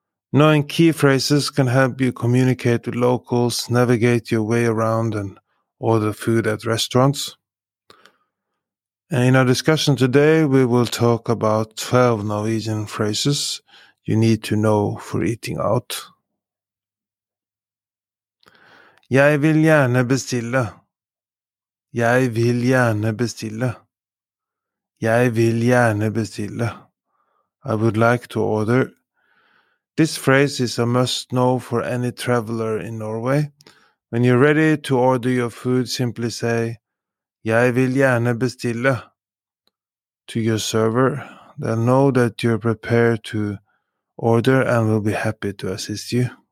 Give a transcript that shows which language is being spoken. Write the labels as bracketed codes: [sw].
[en] Knowing key phrases can help you communicate with locals, navigate your way around, and order food at restaurants. And in our discussion today, we will talk about 12 Norwegian phrases you need to know for eating out. [no] Jeg vil gjerne bestille. Jeg vil gjerne bestille. Jeg vil gjerne bestille. [en] I would like to order. This phrase is a must-know for any traveler in Norway. When you're ready to order your food, simply say, [no] Jeg vil gjerne bestille, [en] to your server. They'll know that you're prepared to order and will be happy to assist you.